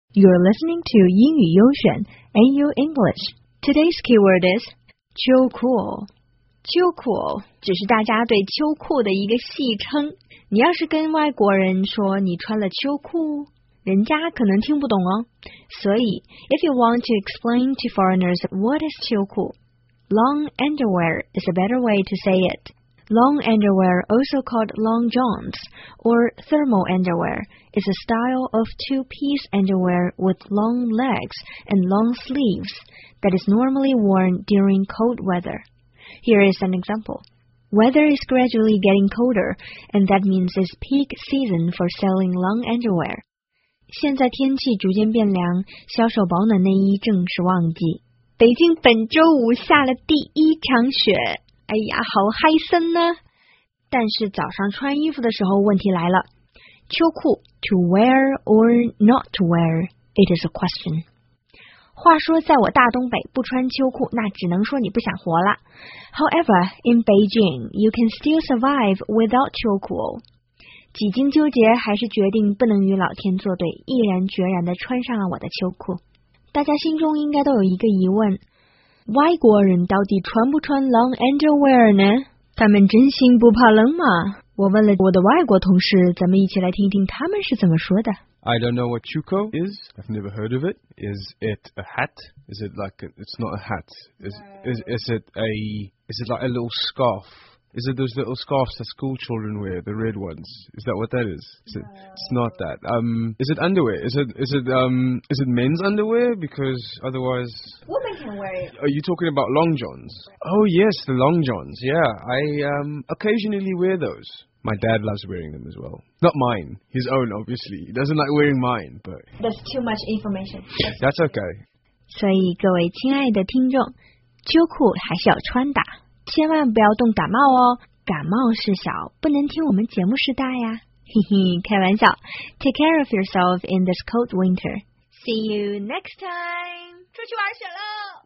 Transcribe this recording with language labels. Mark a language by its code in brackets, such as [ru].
[en] You're listening to 英语优选 AU English. Today's keyword is 秋裤。 [zh] 秋裤只是大家对秋裤的一个戏称。你要是跟外国人说你穿了秋裤，人家可能听不懂哦。所以 [en] if you want to explain to foreigners what is 秋裤， long underwear is a better way to say it. Long underwear, also called long johns or thermal underwear, is a style of two-piece underwear with long legs and long sleeves that is normally worn during cold weather. Here is an example. Weather is gradually getting colder, and that means it's peak season for selling long underwear. [zh] 现在天气逐渐变凉，销售保暖内衣正是旺季。北京本周五下了第一场雪。哎呀，好嗨森呢！但是早上穿衣服的时候问题来了。 [en] 秋裤 to wear or not to wear, it is a question. [zh] 话说在我大东北不穿秋裤，那只能说你不想活了。 [en] However, in Beijing, you can still survive without 秋裤。 [zh] 几经纠结还是决定不能与老天作对，毅然决然地穿上了我的秋裤。大家心中应该都有一个疑问，外国人到底穿不穿 [en] long underwear [zh] 呢？他们真心不怕冷吗？我问了我的外国同事，咱们一起来听听他们是怎么说的。 [en] I don't know what chuko is. I've never heard of it. Is it a hat? Is it like a, it's not a hat? Is it like a little scarf? Is it those little scarves that school children wear, the red ones? Is that what that is? It's not that. Is it underwear? Is it men's underwear? Because otherwise. Women can wear it. Are you talking about long johns? Oh, yes, the long johns. Yeah, I occasionally wear those. My dad loves wearing them as well. Not mine, his own, obviously. He doesn't like wearing mine, but. That's too much information. That's okay. [zh] 所以各位亲爱的听众，秋裤还是要穿的。千万不要冻感冒哦，感冒是小，不能听我们节目是大呀，嘿嘿，开玩笑。 [en] Take care of yourself in this cold winter. See you next time. [zh] 出去玩雪喽。